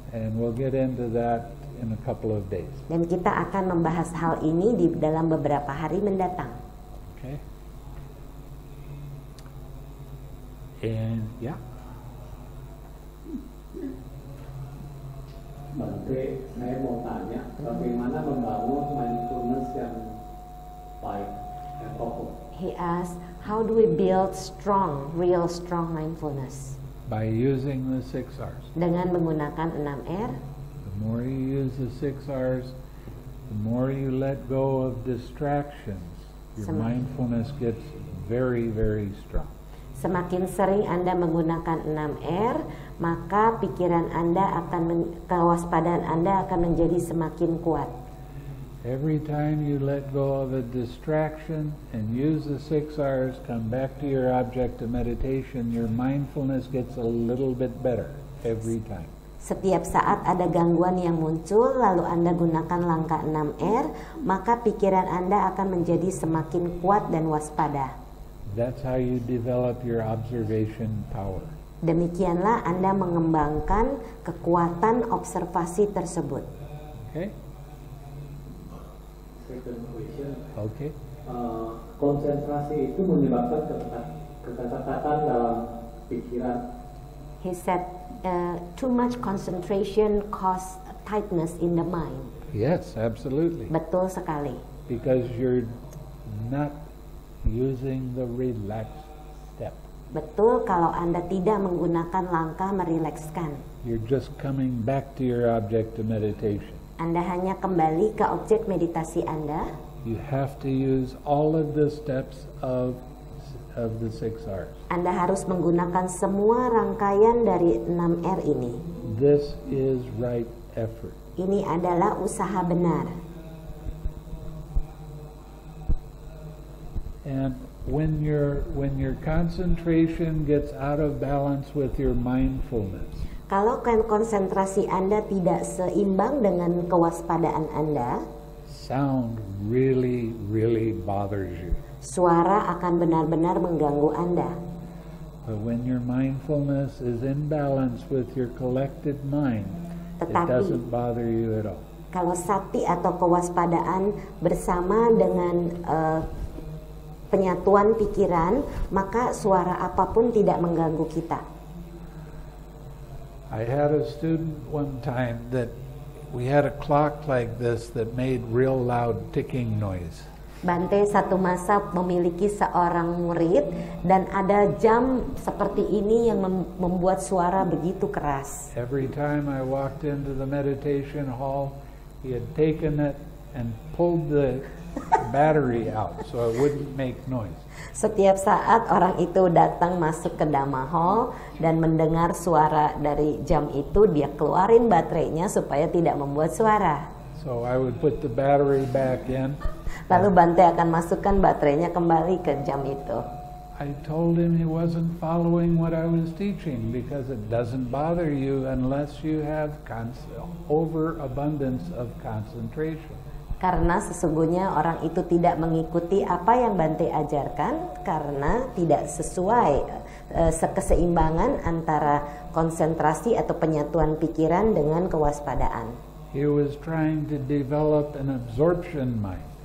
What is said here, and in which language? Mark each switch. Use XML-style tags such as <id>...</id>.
<en>And we'll get into that in a couple of days.</en> <id>Dan kita akan membahas hal ini di dalam beberapa hari mendatang.</id> <en>Okay. And yeah.</en> <id>Bante, saya mau tanya, bagaimana membangun mindfulness yang baik dan proper?</id> <en>He asked, how do we build strong, real strong mindfulness? By using the 6 R's.</en> <id>Dengan menggunakan 6 R.</id> <en>The more you use the 6 R's, the more you let go of distractions, your mindfulness gets very, very strong.</en> <id>Semakin sering Anda menggunakan 6R, maka pikiran Anda akan kewaspadaan Anda akan menjadi semakin kuat.</id> <en>Every time you let go of a distraction and use the 6 R's, come back to your object of meditation, your mindfulness gets a little bit better every time.</en> <id>Setiap saat ada gangguan yang muncul, lalu Anda gunakan langkah 6R, maka pikiran Anda akan menjadi semakin kuat dan waspada.</id> <en>That's how you develop your observation power.</en> <id>Demikianlah Anda mengembangkan kekuatan observasi tersebut.</id> <en>Okay. Second question. Okay.</en> <id>Konsentrasi itu menyebabkan keterkatan dalam pikiran.</id> <en>He said, too much concentration causes tightness in the mind. Yes, absolutely.</en> <id>Betul sekali.</id> <en>Because you're not using the relaxed step.</en> <id>Betul kalau Anda tidak menggunakan langkah merilekskan.</id> <en>You're just coming back to your object of meditation.</en> <id>Anda hanya kembali ke objek meditasi Anda.</id> <en>You have to use all of the steps of the six R's.</en> <id>Anda harus menggunakan semua rangkaian dari 6 R ini.</id> <en>This is right effort.</en> <id>Ini adalah usaha benar.</id> <en>And when your concentration gets out of balance with your mindfulness.</en> <id>Kalau konsentrasi Anda tidak seimbang dengan kewaspadaan Anda,</id> <en>sound really, really bothers you.</en> <id>Suara akan benar-benar mengganggu Anda.</id> <en>But when your mindfulness is in balance with your collected mind,</en> <id>tetapi,</id> <en>it doesn't bother you at all.</en> <id>Kalau sati atau kewaspadaan bersama dengan penyatuan pikiran, maka suara apapun tidak mengganggu kita.</id> <en>I had a student one time that we had a clock like this that made real loud ticking noise.</en> <id>Bante satu masa memiliki seorang murid dan ada jam seperti ini yang membuat suara begitu keras.</id> <en>Every time I walked into the meditation hall, he had taken it and pulled the battery out so it wouldn't make noise.</en> <id>Setiap saat orang itu datang masuk ke Dhamma Hall dan mendengar suara dari jam itu, dia keluarin baterainya supaya tidak membuat suara.</id> <en>So I would put the battery back in.</en> <id>Lalu Bante akan masukkan baterainya kembali ke jam itu.</id> <en>I told him he wasn't following what I was teaching because it doesn't bother you unless you have overabundance of concentration.</en> <id>Karena sesungguhnya orang itu tidak mengikuti apa yang Bante ajarkan karena tidak sesuai keseimbangan antara konsentrasi atau penyatuan pikiran dengan kewaspadaan.</id> <en>He was trying to develop an absorption mind.</en>